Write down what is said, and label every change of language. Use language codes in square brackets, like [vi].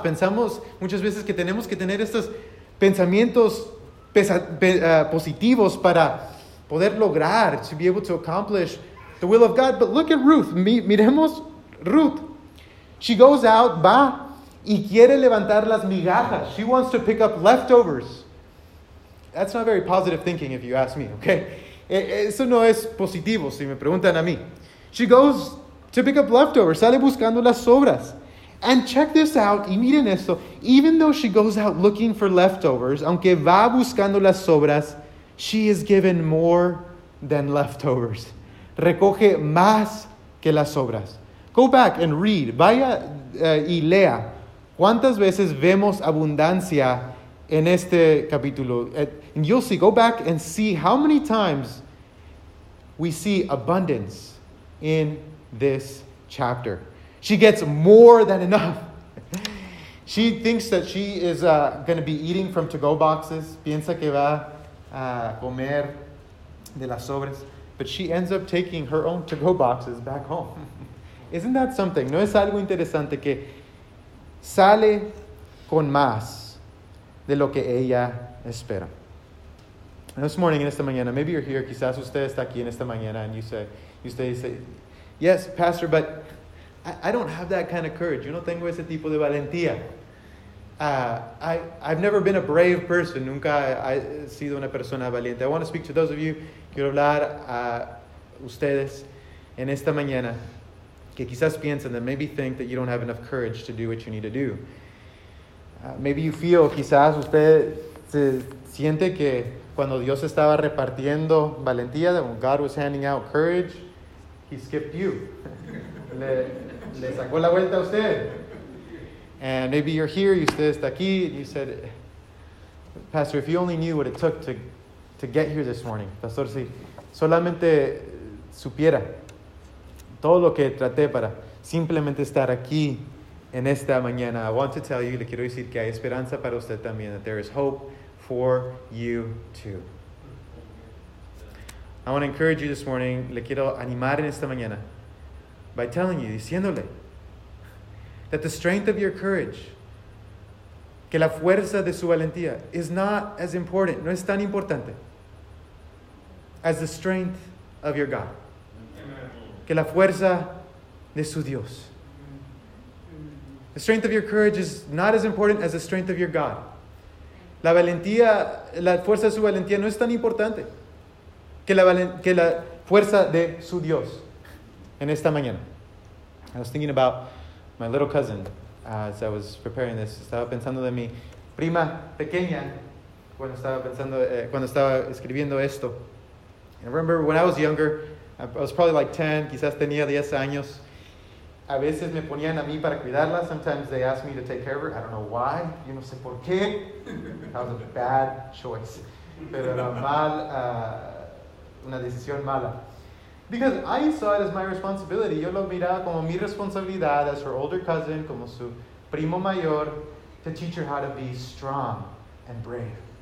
[es] Pensamos muchas veces que tenemos que tener estos pensamientos positivos para poder lograr, [en] to be able to accomplish the will of God. But look at Ruth. [es] Miremos Ruth. [en] She goes out, [es] va, y quiere levantar las migajas. [en] She wants to pick up leftovers. That's not very positive thinking if you ask me, okay? [es] Eso no es positivo, si me preguntan a mí. [en] She goes to pick up leftovers, [es] sale buscando las sobras. [en] And check this out, [es] y miren esto, [en] even though she goes out looking for leftovers, [es] aunque va buscando las sobras, [en] she is given more than leftovers. [es] Recoge más que las sobras. [en] Go back and read, [es] vaya y lea. ¿Cuántas veces vemos abundancia en este capítulo? [en] And you'll see, go back and see how many times we see abundance in this chapter. She gets more than enough. She thinks that she is going to be eating from to-go boxes. [es] Piensa que va a comer de las sobras. [en] But she ends up taking her own to-go boxes back home. Isn't that something? [es] No es algo interesante que sale con más de lo que ella espera. [en] And this morning, [es] en esta mañana, [en] maybe you're here, [es] quizás usted está aquí en esta mañana, [en] and you say, yes, pastor, but I don't have that kind of courage. [es] Yo no tengo ese tipo de valentía. [en] I've never been a brave person. [es] Nunca he sido una persona valiente. [en] I want to speak to those of you. [es] Quiero hablar a ustedes en esta mañana que quizás piensan [en] that maybe think that you don't have enough courage to do what you need to do. Maybe you feel, [es] quizás usted se siente que cuando Dios estaba repartiendo valentía, [en] that when God was handing out courage, he skipped you. [es] Le sacó la vuelta a usted. [en] And maybe you're here, you said, [es] está aquí, [en] and you said, Pastor, if you only knew what it took to get here this morning. [es] Pastor, si solamente supiera todo lo que traté para simplemente estar aquí en esta mañana. [en] I want to tell you, [es] le quiero decir que hay esperanza para usted también, [en] that there is hope for you too. I want to encourage you this morning, [es] le quiero animar en esta mañana, [en] by telling you, [es] diciéndole, [en] that the strength of your courage, [es] que la fuerza de su valentía, [en] is not as important, [es] no es tan importante, [en] as the strength of your God. Amen. [es] Que la fuerza de su Dios. [en] The strength of your courage is not as important as the strength of your God. [es] La valentía, la fuerza de su valentía no es tan importante que la fuerza de su Dios. En esta mañana, [en] I was thinking about my little cousin, as I was preparing this. [es] Estaba pensando de mi prima pequeña cuando estaba escribiendo esto. [en] And I remember when I was younger, I was probably like 10, [es] quizás tenía 10 años. A veces me ponían a mí para cuidarla. [en] Sometimes they asked me to take care of her. I don't know why. [es] Yo no sé por qué. [en] That was a bad choice. [es] Pero era mal, una decisión mala. [en] Because I saw it as my responsibility. [es] Yo lo miraba como mi responsabilidad [en] as her older cousin, [es] como su primo mayor, [en] to teach her how to be strong and brave.